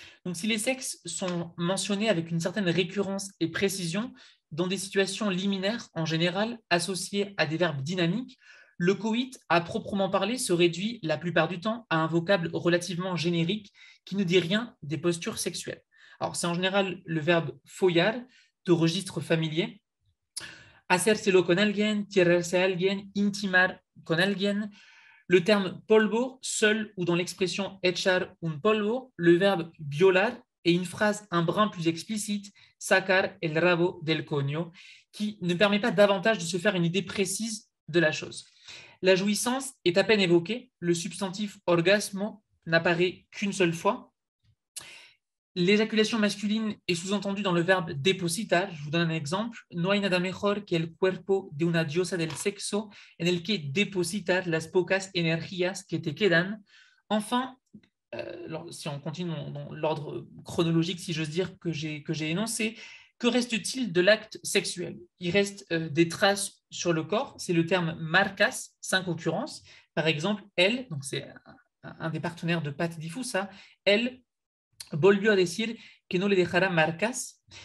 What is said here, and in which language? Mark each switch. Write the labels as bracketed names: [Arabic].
[French] Donc, si les sexes sont mentionnés avec une certaine récurrence et précision, dans des situations liminaires en général, associées à des verbes dynamiques, le coït, à proprement parler, se réduit la plupart du temps à un vocable relativement générique qui ne dit rien des postures sexuelles. Alors, c'est en général le verbe follar, de registre familier. [Spanish] Hacérselo con alguien, tirarse a alguien, intimar con alguien. [French] Le terme polvo, seul ou dans l'expression [Spanish] echar un polvo, [French] le verbe violar et une phrase un brin plus explicite, [Spanish] sacar el rabo del coño, [French] qui ne permet pas davantage de se faire une idée précise de la chose. La jouissance est à peine évoquée, le substantif orgasmo n'apparaît qu'une seule fois. L'éjaculation masculine est sous-entendue dans le verbe depositar. Je vous donne un exemple. [Spanish] No hay nada mejor que el cuerpo de una diosa del sexo en el que depositar las pocas energías que te quedan. [French] Enfin, si on continue dans l'ordre chronologique, si j'ose dire, que j'ai énoncé, que reste-t-il de l'acte sexuel? Il reste des traces sur le corps. C'est le terme marcas, cinq occurrences. Par exemple, elle, donc c'est un des partenaires de Pat Difusa, elle, [Spanish] volvió a decir que no le dejará marcas.